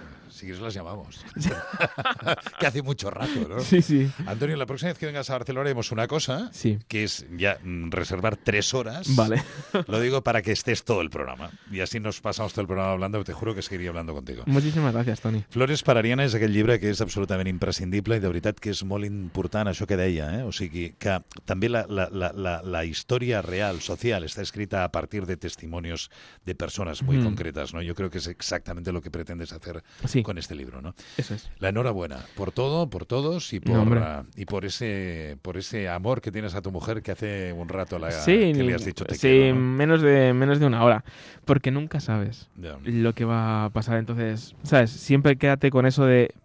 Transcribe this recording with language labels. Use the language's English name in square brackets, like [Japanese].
[Spanish] Si quieres las llamamos. Que hace mucho rato, ¿no? Sí, sí. Antonio, la próxima vez que vengas a Barcelona haremos una cosa, que es ya reservar 3 horas. Vale. Lo digo para que estés todo el programa. Y así nos pasamos todo el programa hablando, te juro que seguiría hablando contigo. Muchísimas gracias, Toni. [Catalan] Flores para Ariana és aquell llibre que és absolutament imprescindible i de veritat que és molt important això que deia, eh? O sigui, que també la història real, social, està escrita a partir de testimonios de persones molt concretes, ¿no? Jo crec que és exactament el que pretendes fer. [Spanish] Sí. Con este libro, ¿no? Eso es. La enhorabuena por todo, por todos y por ese amor que tienes a tu mujer que hace un rato que le has dicho te quiero, ¿no? menos de una hora, porque nunca sabes lo que va a pasar. Entonces, ¿sabes? Siempre quédate con eso de